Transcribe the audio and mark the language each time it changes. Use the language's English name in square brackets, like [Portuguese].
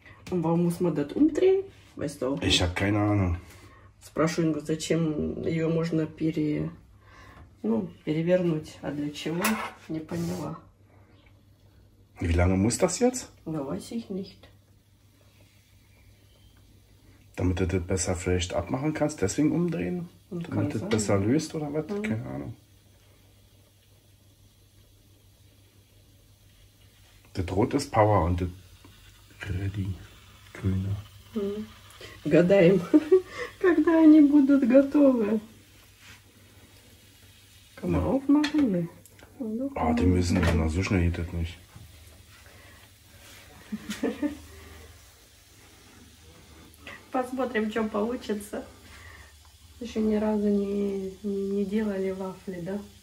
[Russian] Вам нужно дать умтри, [German] weißt du? Ich habe keine Ahnung. [Russian] Спрашиваю, зачем ее можно перевернуть, а для чего? Не поняла. [German] Wie lange muss das jetzt? Ja, weiß ich nicht. Damit du das besser vielleicht abmachen kannst, deswegen umdrehen? Und damit du das besser löst oder was? Mhm. Keine Ahnung. Das Rot ist Power und das Grüne. [Russian] Гадаем, когда они будут готовы. [German] Kann man aufmachen, ne? Ah, die müssen dann so schnell geht das nicht. [Russian] Посмотрим, что получится. Еще ни разу не делали вафли, да?